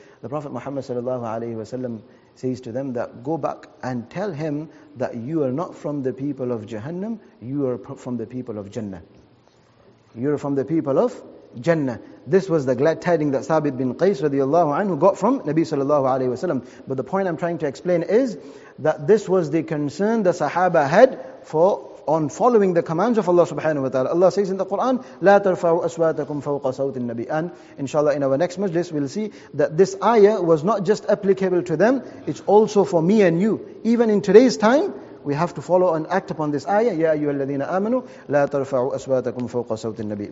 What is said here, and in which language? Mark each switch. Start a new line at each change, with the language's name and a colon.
English: The Prophet Muhammad sallallahu alayhi wa sallam says to them that go back and tell him that you are not from the people of Jahannam, you are from the people of Jannah. You are from the people of Jannah. This was the glad tiding that Thabit bin Qais radiallahu anhu got from Nabi sallallahu alayhi wa sallam. But the point I'm trying to explain is that this was the concern the Sahaba had on following the commands of Allah subhanahu wa ta'ala. Allah says in the Quran,
Arabic: لا ترفعوا أصواتكم فوق صوت النبي.
English: And inshallah in our next majlis we'll see that this ayah was not just applicable to them, it's also for me and you. Even in today's time, we have to follow and act upon this ayah.
Arabic: يا أيها الذين آمنوا لا ترفعوا أصواتكم فوق صوت النبي.